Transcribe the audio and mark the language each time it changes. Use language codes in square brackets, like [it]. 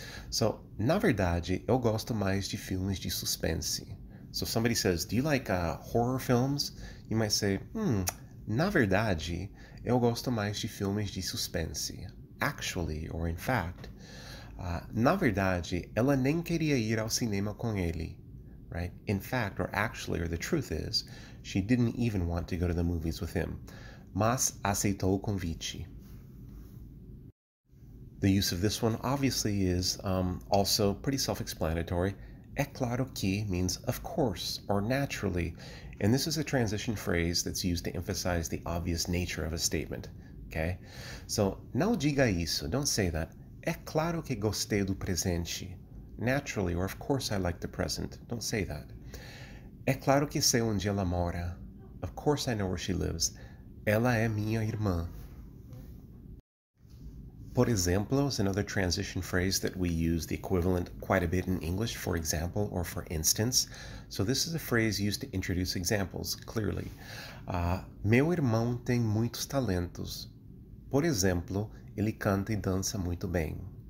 [pt] So, na verdade, eu gosto mais de filmes de suspense. [en] So somebody says, do you like horror films? You might say, [pt] na verdade, eu gosto mais de filmes de suspense. [en] Actually, or in fact, [pt] na verdade, ela nem queria ir ao cinema com ele. [en] Right? In fact, or actually, or the truth is, she didn't even want to go to the movies with him. [pt] Mas aceitou o convite. [en] The use of this one obviously is also pretty self-explanatory. É claro que means of course or naturally. And this is a transition phrase that's used to emphasize the obvious nature of a statement. Okay? So, [pt] não diga isso. [en] Don't say that. [pt] É claro que gostei do presente. [en] Naturally, or of course I like the present. Don't say that. [pt] É claro que sei onde ela mora. [en] Of course I know where she lives. [pt] Ela é minha irmã. [en] Por exemplo is another transition phrase that we use the equivalent quite a bit in English, for example, or for instance. So this is a phrase used to introduce examples, clearly. [pt] Meu irmão tem muitos talentos. Por exemplo, ele canta e dança muito bem.